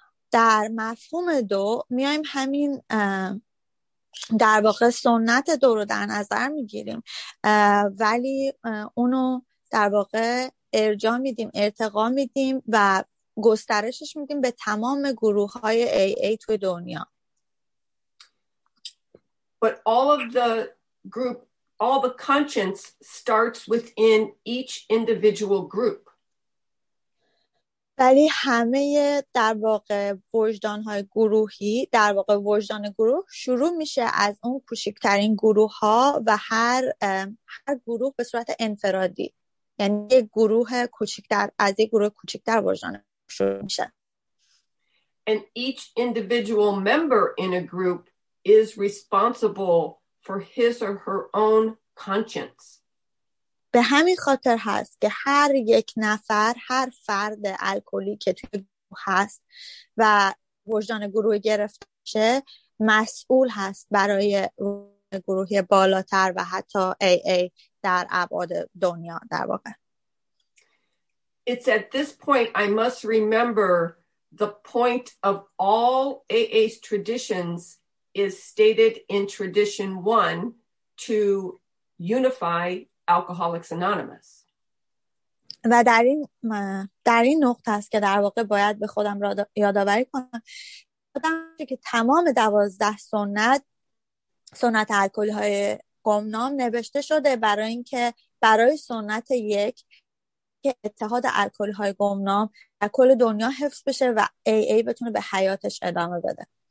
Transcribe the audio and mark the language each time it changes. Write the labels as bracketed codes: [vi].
[fa] در مفهوم دو میایم همین در واقع سنت دو رو در نظر میگیریم ولی اونو در واقع ارجاع میدیم، ارتقا میدیم و گسترشش میدیم به تمام گروه های AA توی دنیا. [en] But all of the group, all the conscience starts within each individual group. [fa] ولی همه در واقع وجدان های گروهی در واقع وجدان گروه شروع میشه از اون کوچکترین گروه ها و هر گروه به صورت انفرادی یعنی یک گروه کوچکتر از یک گروه کوچکتر وجدان شروع میشه. [en] And each individual member in a group is responsible for his or her own conscience. [fa] به همین خاطر هست که هر یک نفر هر فرد الکلی که توی گروه هست و وجدان گروه گرفته شه مسئول هست برای گروهی بالاتر و حتی AA در ابعاد دنیا در واقع. [en] It's at this point I must remember the point of all AA's traditions is stated in tradition one to unify Alcoholics Anonymous. [fa] و در این نقطه است که در واقع باید به خودم یادآوری کنم که تمام 12 سنت الکلی های گمنام نوشته شده برای اینکه برای سنت یک که اتحاد الکلی های گمنام در کل دنیا حفظ بشه و AA بتونه به حیاتش ادامه بده.